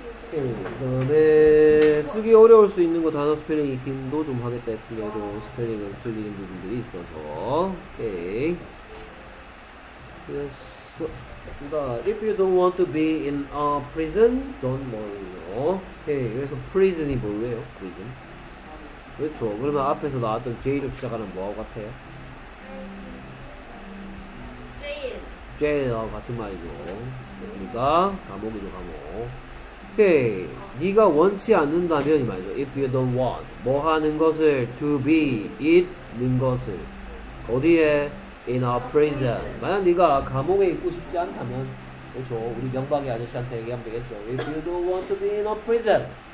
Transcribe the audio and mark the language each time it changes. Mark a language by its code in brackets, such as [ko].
[ko] 그다음에 쓰기 어려울 수 있는 거 단어 스펠링 익힘도 좀 하겠다 했습니다. 좀 스펠링을 틀리는 부분들이 있어서. 오케이. 그래서 [en] if you don't want to be in a prison, don't worry. [ko] 오케이. 그래서 prison이 뭐예요? prison. 그렇죠. 그러면 앞에서 나왔던 J로 시작하는 뭐하고 같아요? 제일 같은 말이죠. 됐습니까? 감옥이죠, 감옥. 오케이. 네가 원치 않는다면 이 말이죠. [en] If you don't want. [ko] 뭐 하는 것을? [en] To be. [ko] 있는 것을. 어디에? [en] In a prison. [ko] 만약 네가 감옥에 있고 싶지 않다면 그렇죠. 우리 명박이 아저씨한테 얘기하면 되겠죠. [en] If you don't want to be in a prison.